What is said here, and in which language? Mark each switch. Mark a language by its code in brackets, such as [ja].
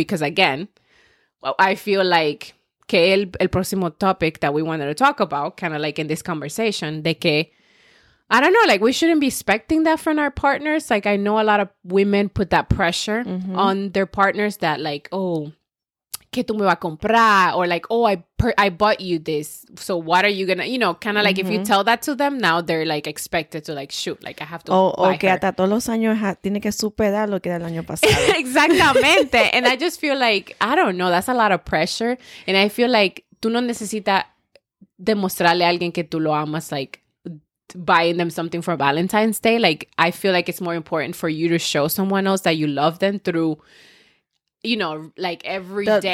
[en] Because, again, I feel like [es] que el próximo [en] topic that we wanted to talk about, kind of like in this conversation, de que, I don't know, like, we shouldn't be expecting that from our partners. Like, I know a lot of women put that pressure mm-hmm. on their partners that, like, oh, [es] ¿qué tú me vas a comprar? [en] Or, like, oh, I bought you this, so what are you going to, you know, kind of like, mm-hmm. if you tell that to them, now they're, like, expected to, like, shoot, like, I have to buy her. [es] Oh, okay, hasta todos los años tiene que superar lo que era el año pasado. Exactamente. [en] And I just feel like, I don't know, that's a lot of pressure. And I feel like [es] tú no necesitas demostrarle a alguien que tú lo amas, [en] like, buying them something for Valentine's Day. Like, I feel like it's more important for you to show someone else that you love them through, you know, like everyday actions.